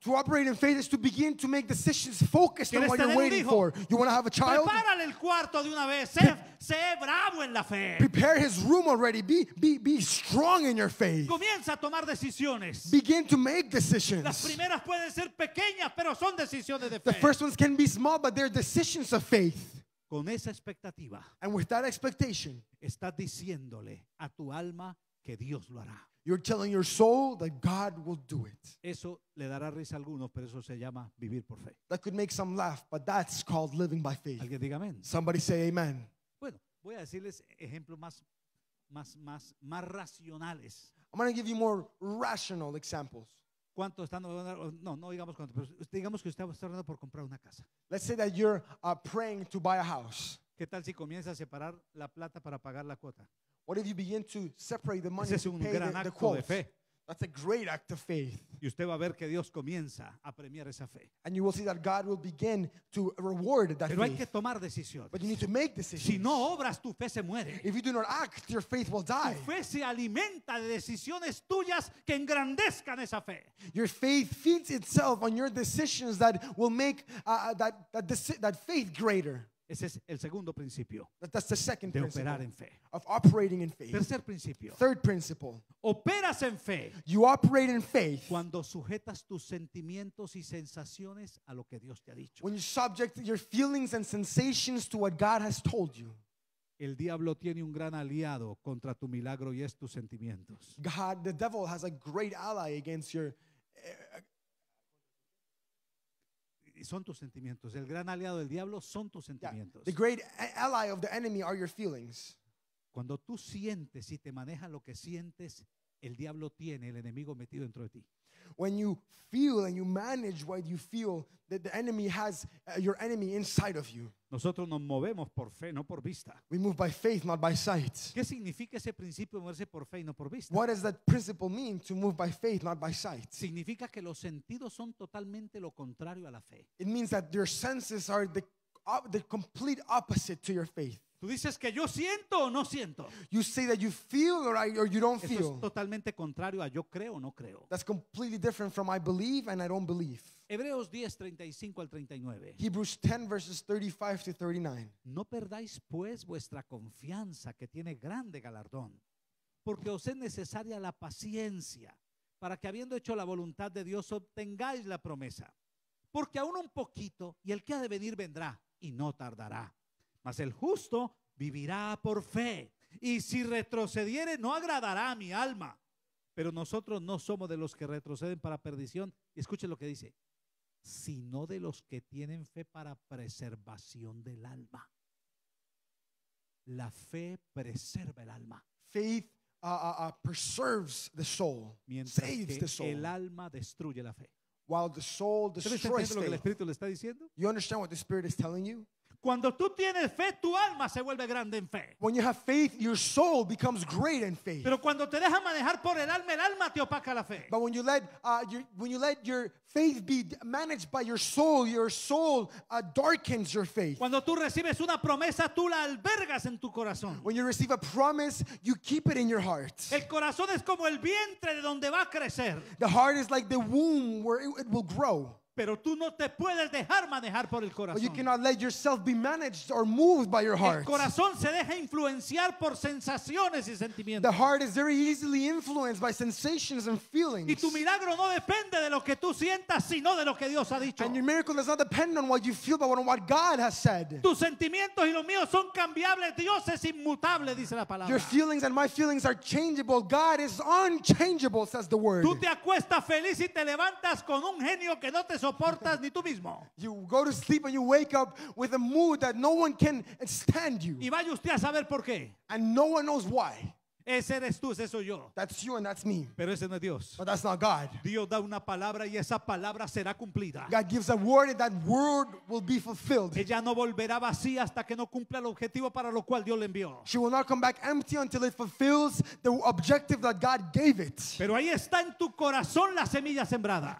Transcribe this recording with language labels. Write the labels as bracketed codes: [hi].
[en] To operate in faith is to begin to make decisions focused on what you're waiting for. You want to have a child? [es] Prepárale el cuarto de una vez. Sé bravo en la fe. [en] Prepare his room already. Be strong in your faith. [es] Comienza a tomar decisiones. [en] Begin to make decisions. [es] Las primeras pueden ser pequeñas, pero son decisiones de fe. [en] The first ones can be small, but they're decisions of faith. [es] Con esa expectativa. [en] And with that expectation, [es] estás diciéndole a tu alma que Dios lo hará. [en] You're telling your soul that God will do it. [es] Eso le dará risa a algunos, pero eso se llama vivir por fe. [en] That could make some laugh, but that's called living by faith. [es] Alguien diga amén. [en] Somebody say amen. [es] Bueno, voy a decirles ejemplos más racionales. [en] I'm going to give you more rational examples. [es] ¿Cuánto están orando? No digamos cuánto, pero digamos que usted está orando por comprar una casa. [en] Let's say that you're praying to buy a house. [es] ¿Qué tal si comienza a separar la plata para pagar la cuota? [en] What if you begin to separate the money to pay the quotes? [es] Ese es un gran acto de fe. [en] That's a great act of faith. [es] Y usted va a ver que Dios comienza a premiar esa fe. [en] And you will see that God will begin to reward that faith. [es] Pero hay que tomar decisiones. [en] But you need to make decisions. [es] Si no obras, tu fe se muere. [en] If you do not act, your faith will die. [es] Tu fe se alimenta de decisiones tuyas que engrandezcan esa fe. [en] Your faith feeds itself on your decisions that will make that faith greater. [es] Ese es el segundo principio. [en] That's the second [es] de [en] principle. [es] Operar en fe. [en] Of operating in faith. [es] Tercer principio. [en] Third principle. [es] Operas en fe. [en] You operate in faith. [es] Cuando sujetas tus sentimientos y sensaciones a lo que Dios te ha dicho. [en] When you subject your feelings and sensations to what God has told you. [es] El diablo tiene un gran aliado contra tu milagro y es tus sentimientos. [en] God, the devil has a great ally against your [es] son tus sentimientos. El gran aliado del diablo son tus sentimientos. [en] Yeah. The great ally of the enemy are your feelings. [es] Cuando tú sientes y te manejas lo que sientes, el diablo tiene el enemigo metido dentro de ti. [en] When you feel and you manage what you feel, the enemy has your enemy inside of you. [es] Nosotros nos movemos por fe, no por vista. [en] We move by faith, not by sight. [es] ¿Qué significa ese principio de moverse por fe y no por vista? [en] What does that principle mean, to move by faith, not by sight? [es] Significa que los sentidos son totalmente lo contrario a la fe. [en] It means that your senses are the complete opposite to your faith. [es] Tú dices que yo siento o no siento. [en] You say that you feel or you don't feel. [es] Eso es totalmente contrario a yo creo o no creo. [en] That's completely different from I believe and I don't believe. [es] Hebreos 10:35 al 39. [en] Hebrews 10 verses 35 to 39. [es] No perdáis pues vuestra confianza que tiene grande galardón, porque os es necesaria la paciencia para que habiendo hecho la voluntad de Dios obtengáis la promesa. porque aún un poquito y el que ha de venir vendrá y no tardará. Mas el justo vivirá por fe, y si retrocediere no agradará a mi alma. Pero nosotros no somos de los que retroceden para perdición. Escuchen lo que dice: sino de los que tienen fe para preservación del alma. La fe preserva el alma. [en] Faith preserves the soul. [es] Mientras [en] saves the soul. [es] El alma destruye la fe. [en] While the soul destroys faith. [es] ¿Lo que el Espíritu le está diciendo? [en] You understand what the Spirit is telling you? [es] Cuando tú tienes fe, tu alma se vuelve grande en fe. [en] When you have faith, your soul becomes great in faith. [es] Pero cuando te dejas manejar por el alma te opaca la fe. [en] But when you let your faith be managed by your soul darkens your faith. [es] Cuando tú recibes una promesa, tú la albergas en tu corazón. [en] When you receive a promise, you keep it in your heart. [es] El corazón es como el vientre de donde va a crecer. [en] The heart is like the womb where it will grow. [es] Pero tú no te puedes dejar manejar por el corazón. [en] But you cannot let yourself be managed or moved by your heart. [es] El corazón se deja influenciar por sensaciones y sentimientos. [en] The heart is very easily influenced by sensations and feelings. [es] Y tu milagro no depende de lo que tú sientas, sino de lo que Dios ha dicho. [en] And your miracle does not depend on what you feel, but on what God has said. [es] Tus sentimientos y los míos son cambiables. Dios es inmutable, dice la palabra. [en] Your feelings and my feelings are changeable. God is unchangeable, says the word. [es] Tú te acuestas feliz y te levantas con un genio que no te soportas ni tú mismo. [en] You go to sleep and you wake up with a mood that no one can stand you. [es] Y vaya usted a saber por qué. [en] And no one knows why. [es] Ese eres tú, ese soy yo. [en] That's you and that's me. [es] Pero ese no es Dios. [en] But that's not God. [es] Dios da una palabra y esa palabra será cumplida. [en] God gives a word and that word will be fulfilled. [es] Ella no volverá vacía hasta que no cumpla el objetivo para lo cual Dios le envió. [en] She will not come back empty until it fulfills the objective that God gave it. [es] Pero ahí está en tu corazón la semilla sembrada.